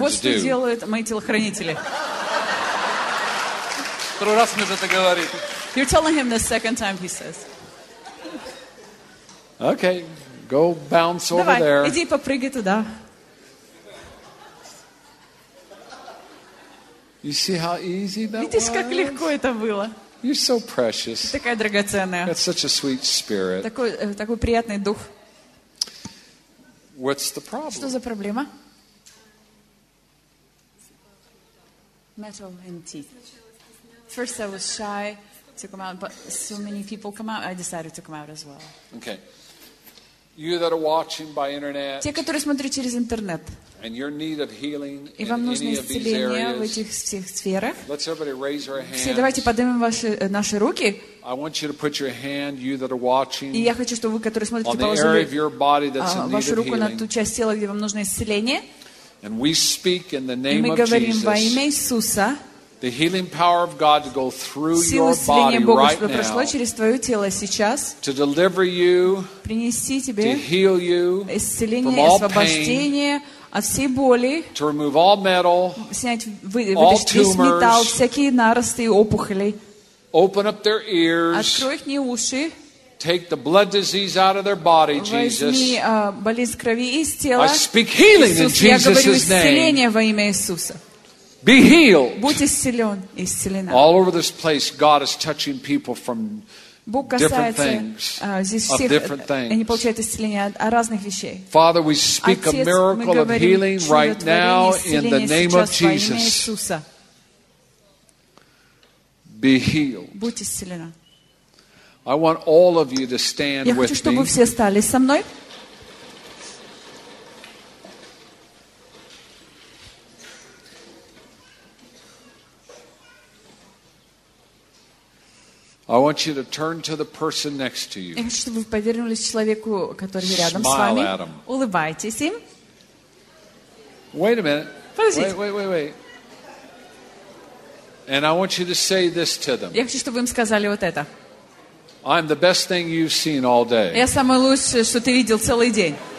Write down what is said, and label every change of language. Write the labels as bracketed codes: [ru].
[ru] вот что делают мои телохранители. Второй раз мне это говорит. [en] You're telling him the second time, he says. Okay. Go bounce [ru] Давай, [en] over there. [ru] Иди попрыгай туда. [en] You see how easy that [ru] Видишь, [en] was? [ru] Как легко это было. [en] You're so precious. [ru] Ты такая драгоценная. [en] That's such a sweet spirit. [ru] Такой приятный дух. [en] What's the problem? [ru] Что за проблема? [en] Metal and teeth. First I was shy to come out, but so many people come out, I decided to come out as well. Okay. You that are watching by internet. [ru] Те, которые смотрят через интернет. [en] And your need of healing [ru] и вам нужно исцеление в этих всех сферах. Все, давайте поднимем наши руки. [en] I want you to put your hand, you that are watching, [ru] и я хочу, чтобы вы, которые смотрите, [en] on the area of your body that's in [ru] вашу [en] need [ru] руку [en] of healing, [ru] на ту часть тела, где вам нужно исцеление. [en] And we speak in the name [ru] и мы говорим [en] of Jesus, [ru] во имя Иисуса. [en] The healing power of God to go through your body right now. [ru] Прошло через твое тело сейчас. [en] To deliver you. [ru] Принести тебе. [en] To heal you. [ru] Исцеление, освобождение от всей боли. [en] To remove all metal. [ru] Вытащить весь металл, всякие наросты и опухоли. [en] Open up their ears. [ru] Открой их уши. [en] Take the blood disease out of their body, Jesus. [ru] Возьми болезнь крови из тела. [en] I speak healing in Jesus' name. [ru] Исцеление во имя Иисуса. [en] Be healed. [ru] Будь исцелен, исцелена. [en] All over this place, God is touching people from different things. Of different things. [ru] Они получают исцеление от разных вещей. [en] Father, we speak a miracle of healing right now in the name of Jesus. Be healed. [ru] Будь исцелена. [en] I want all of you to stand with me. [ru] Я хочу, чтобы все стали со мной. [en] I want you to turn to the person next to you. [ru] Я хочу, чтобы вы повернулись к человеку, который рядом с вами. Улыбайтесь им. [en] Wait a minute. [ru] Подождите. [en] Wait. And I want you to say this to them. [ru] Я хочу, чтобы вы им сказали вот это. [en] I'm the best thing you've seen all day. [ru] Я самое лучшее, что ты видел целый день.